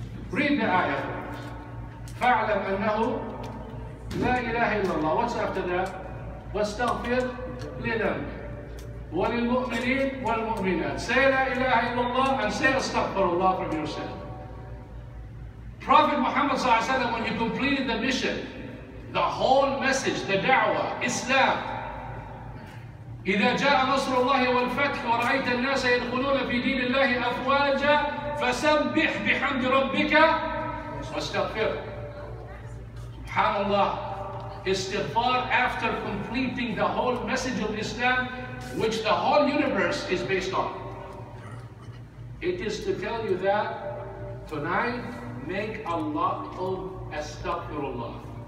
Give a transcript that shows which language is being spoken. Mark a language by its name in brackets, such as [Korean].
[English] Read the ayah. [Arabic] فَاعْلَمْ أَنَّهُ لَا إِلَهَ إِلَّا اللَّهُ. [English] What's after that? [Arabic] وَاسْتَغْفِرْ لِذَنْبِكَ وَلِلْمُؤْمِنِينَ وَالْمُؤْمِنَاتِ. [English] Say [Arabic] لَا إِلَهَ إِلَّا اللَّهُ [English] and say astaghfirullah from yourself. Prophet Muhammad صلى الله عليه وسلم, when he completed the mission, the whole message, the da'wah, Islam, [Arabic] إِذَا جَاءَ نَصْرُ اللَّهِ وَالْفَتْحُ وَرَأَيْتَ النَّاسَ يَدْخُلُونَ فِي دِينِ اللَّهِ أَفْوَاجًا فَسَبِّحْ بِحَمْدِ رَبِّكَ وَاسْتَغْفِرْ. [English] SubhanAllah, istighfar after completing the whole message of Islam, which the whole universe is based on. It is to tell you that tonight, make a lot of astaghfirullah.